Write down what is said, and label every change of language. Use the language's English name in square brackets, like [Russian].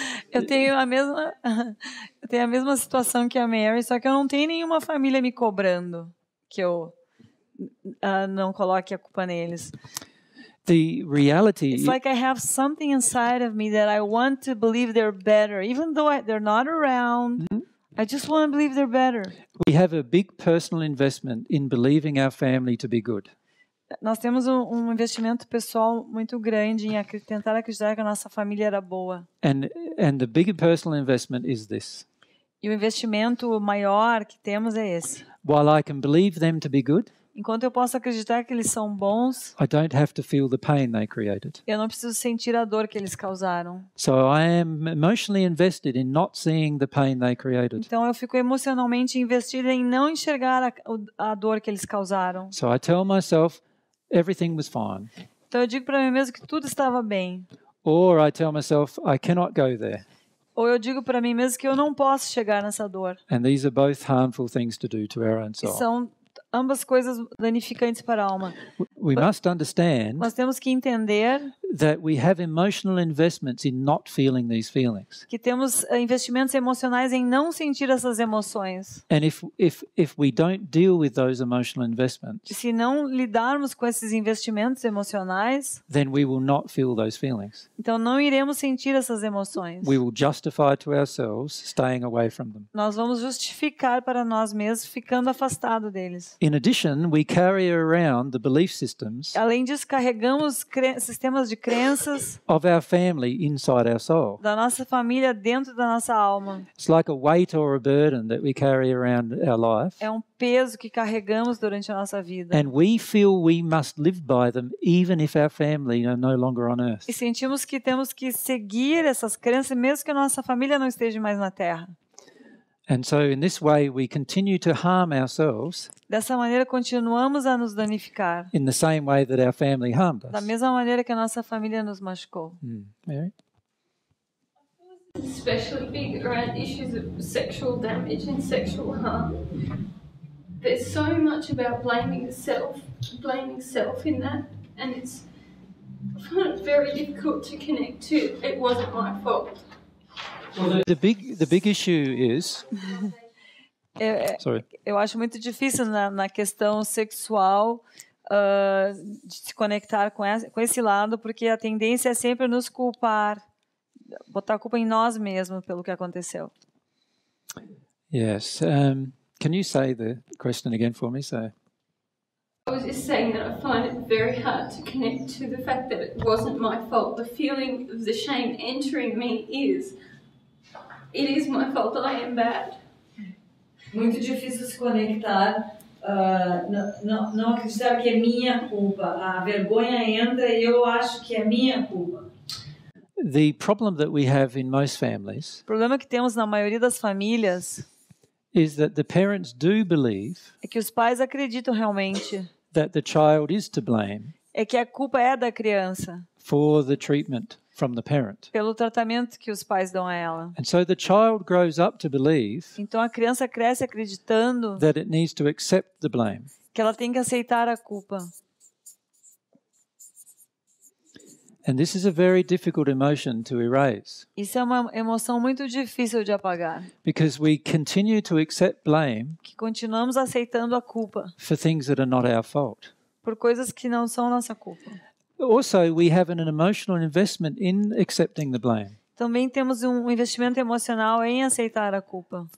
[Portuguese] eu tenho a mesma situação que a Mary, só que eu não tenho nenhuma família me cobrando que eu não coloque a culpa neles. [English] The reality. It's like I have something inside of me that I want to believe they're better, even though they're not around. Mm-hmm. I just want to believe they're better. We have a big personal investment in believing our family to be good. [Portuguese] Nós temos um investimento pessoal muito grande em tentar acreditar que a nossa família era boa. [English] And the big personal investment is this. [Portuguese] E o investimento maior que temos é esse. [English] While I can believe them to be good. [Portuguese] Enquanto eu posso acreditar que eles são bons, [English] I don't have to feel the pain they created. [Portuguese] Eu não preciso sentir a dor que eles causaram. [English] So I am emotionally invested in not seeing the pain they created. [Portuguese] Então eu fico emocionalmente investida em não enxergar a dor que eles causaram. [English] So I tell myself everything was fine. [Portuguese] Então eu digo para mim mesmo que tudo estava bem. [English] Or I tell myself I cannot go there. [Portuguese] Ou eu digo para mim mesmo que eu não posso chegar nessa dor. [English] And these are both harmful things to do to our own soul. [Portuguese] São ambas coisas danificantes para a alma. [English] We must understand. [Portuguese] Nós temos que entender [English] that we have emotional investments in not feeling these feelings. [Portuguese] Que temos investimentos emocionais em não sentir essas emoções. [English] And if we don't deal with those emotional investments, [Portuguese] se não lidarmos com esses investimentos emocionais, [English] then we will not feel those feelings. [Portuguese] Então não iremos sentir essas emoções. [English] We will justify to ourselves staying away from them. [Portuguese] Nós vamos justificar para nós mesmos ficando afastado deles. [English] In addition, we carry around the belief systems. [Portuguese] Além disso, carregamos sistemas de crenças [English] of our family inside our soul. [Portuguese] Da nossa família dentro da nossa alma. [English] It's like a weight or a burden that we carry around our life. [Portuguese] É um peso que carregamos durante a nossa vida. [English] And we feel we must live by them even if our family are no longer on earth. [Portuguese] E sentimos que temos que seguir essas crenças mesmo que a nossa família não esteja mais na terra. [English] And so in this way we continue to harm ourselves. [Portuguese] Dessa maneira continuamos a nos danificar. [English] In the same way that our family harmed us. [Portuguese] Da mesma maneira que a nossa família nos machucou. [English] Mary? Especially big around issues of sexual damage and sexual harm. There's so much about blaming self in that, and it's very difficult to connect to. It wasn't my fault. Well, the big issue is. [Portuguese] Eu acho muito difícil na questão sexual de se conectar com esse lado, porque a tendência é sempre nos culpar, botar a culpa em nós mesmos pelo que aconteceu. [English] Yes, can you say the question again for me, sir? I was just saying that I find it very hard to connect to the fact that it wasn't my fault. The feeling of the shame entering me is. It is my fault that I am bad. [Portuguese] Muito difícil se conectar, não acreditar que é minha culpa. A vergonha entra e eu acho que é minha culpa. [English] The problem that we have in most families. [Portuguese] O problema que temos na maioria das famílias. [English] Is that the parents do believe. [Portuguese] É que os pais acreditam realmente. [English] That the child is to blame. [Portuguese] É que a culpa é da criança. [English] For the treatment. From the parent. [Portuguese] Pelo tratamento que os pais dão a ela. [English] And so the child grows up to believe. [Portuguese] Então a criança cresce acreditando. [English] That it needs to accept the blame. [Portuguese] Que ela tem que aceitar a culpa. [English] And this is a very difficult emotion to erase. [Portuguese] Isso é uma emoção muito difícil de apagar. [English] Because we continue to accept blame. [Portuguese] Que continuamos aceitando a culpa. [English] For things that are not our fault. [Portuguese] Por coisas que não são nossa culpa. [English] Also, we have an emotional investment in accepting the blame. [Portuguese] Também temos investimento emocional em aceitar a culpa.